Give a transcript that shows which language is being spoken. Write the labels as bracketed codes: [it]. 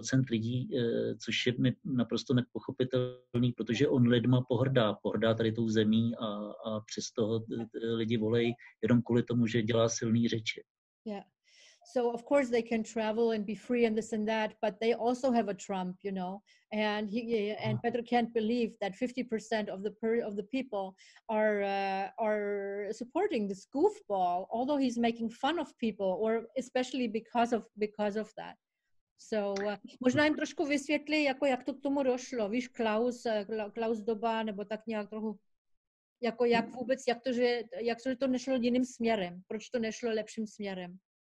[cs] lidí, což je mi naprosto nepochopitelný, protože on lidma pohrdá tady tou zemí a přes toho lidi volej jenom kvůli tomu, že dělá silný řeči. [en] Yeah. So of course they can travel and be free and this and that, but they also have a Trump, you know, and Petr can't believe that 50% of the people are supporting this goofball, although he's making fun of people, or especially because of that. [cs] So, možná jim trošku vysvětli, jako jak to k tomu došlo. Víš, Klaus doba, nebo tak nějak trochu, jako jak vůbec, jak to, že to nešlo jiným směrem, proč to nešlo lepším směrem?